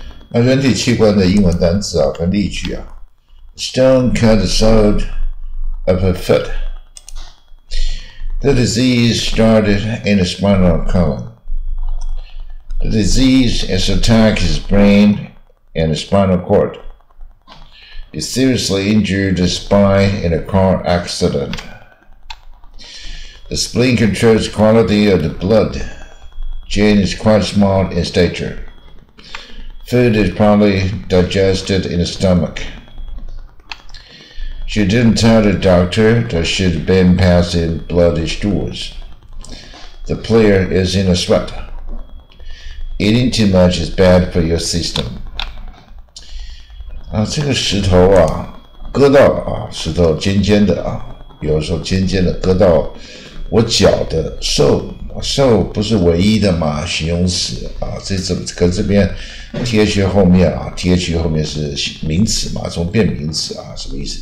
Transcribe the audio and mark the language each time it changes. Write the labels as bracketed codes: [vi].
[zh] 那人体器官的英文单词啊，跟例句啊 ， [en] Stone cut the side of her foot. The disease started in the spinal column. The disease has attacked his brain and the spinal cord. He seriously injured his spine in a car accident. The spleen controls quality of the blood. Jane is quite small in stature. Food is probably digested in the stomach. She didn't tell the doctor that she'd been passing bloody stools. The player is in a sweat. Eating too much is bad for your system. [zh] 啊，这个石头啊，割到啊，石头尖尖的啊，有时候尖尖的割到我脚的受。瘦不是唯一的嘛形容词啊，这怎么跟这边 TH 后面啊 TH 后面是名词嘛，从变名词啊，什么意思？